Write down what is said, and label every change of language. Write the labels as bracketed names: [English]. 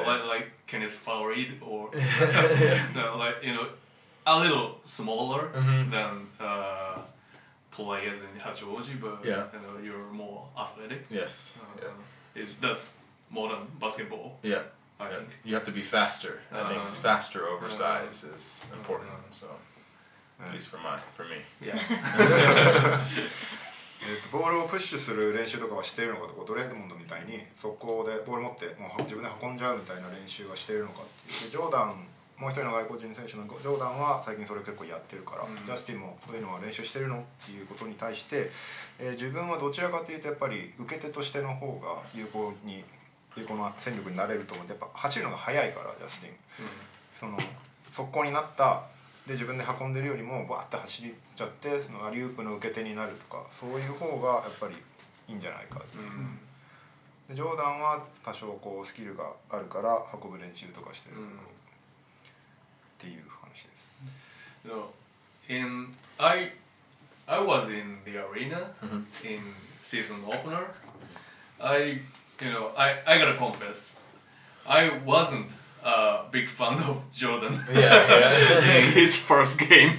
[English] You know, like Kenneth Faried or no, like, you know, a little smaller than players in Hachioji, but yeah, you know, you're more athletic. Yes. That's more than basketball. Yeah. I think you have to be faster. I think it's faster over size is important. So. At least for me. Yeah. [Japanese] ボールをプッシュする練習とかはしているのかとか、ドレッドモンドみたいに速攻でボール持ってもう自分で運んじゃうみたいな練習はしているのかっていう。で、ジョーダン、もう一人の外国人選手のジョーダンは最近それを結構やってるから、ジャスティンもそういうのは練習してるのっていうことに対して、自分はどちらかというとやっぱり受け手としての方が有効な戦力になれると思って、やっぱ走るのが早いから、ジャスティン。その速攻になったで自分で運んでるよりもバッて走りちゃってそのアリウープの受け手になるとかそういう方がやっぱりいいんじゃないかっていう、でジョーダンは多少こうスキルがあるから運ぶ練習とかしてるっていう話です。 [English] In, I was in the arena in season opener. I, you know, I gotta confess, I wasn'ta big fan of Jordan. Yeah. In his first game.